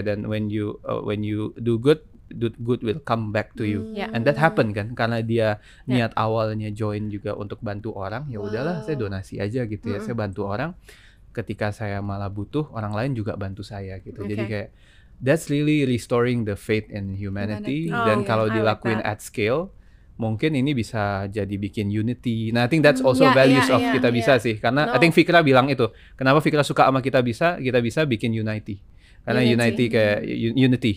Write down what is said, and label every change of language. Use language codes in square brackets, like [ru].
[en] Dan when you do good, good will come back to you. And that happen [id] kan, karena dia niat awalnya join juga untuk bantu orang, ya udahlah saya donasi aja gitu ya, saya bantu orang, ketika saya malah butuh, orang lain juga bantu saya gitu. [en] Jadi kayak that's really restoring the faith in humanity. [id] Dan kalau dilakuin at scale, mungkin ini bisa jadi bikin unity. Nah, [en] I think that's also values of [id] Kita Bisa sih. Karena I think Fikra bilang itu, kenapa Fikra suka sama Kita Bisa? Kita Bisa bikin unity. Karena unity kayak unity.